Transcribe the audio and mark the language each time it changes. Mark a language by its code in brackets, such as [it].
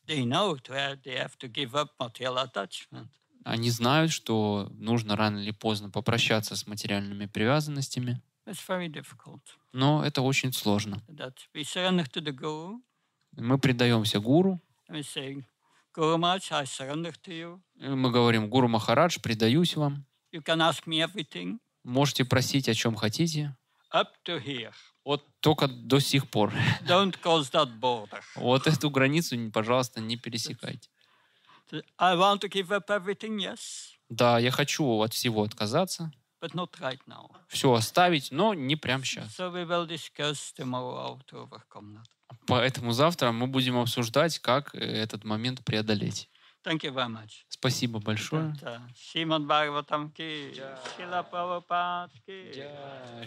[en] They know that they have to give up material attachment. [ru] Они знают, что нужно рано или поздно попрощаться с материальными привязанностями. [en] It's very difficult. [ru] Но это очень сложно. [en] That we surrender to the guru. [ru] Мы предаемся гуру. [en] We say, Guru Maharaj, I surrender to you. [ru] Мы говорим: «Гуру Махарадж, предаюсь вам». [en] You can ask me everything. [ru] Можете просить о чем хотите. [en] Up to here. [ru] Вот только до сих пор. [en] Don't cross that border. [ru] Вот эту границу, пожалуйста, не пересекайте. [en] I want to give up everything, yes. [ru] Да, я хочу от всего отказаться. [en] But not right now. [ru] Все оставить, но не прямо сейчас. [en] So we will discuss tomorrow how to overcome that. [ru] Поэтому завтра мы будем обсуждать, как этот момент преодолеть. [en] Thank you very much. [ru] Спасибо большое. Шримад Бхагаватам ки, Шрила Прабхупад ки,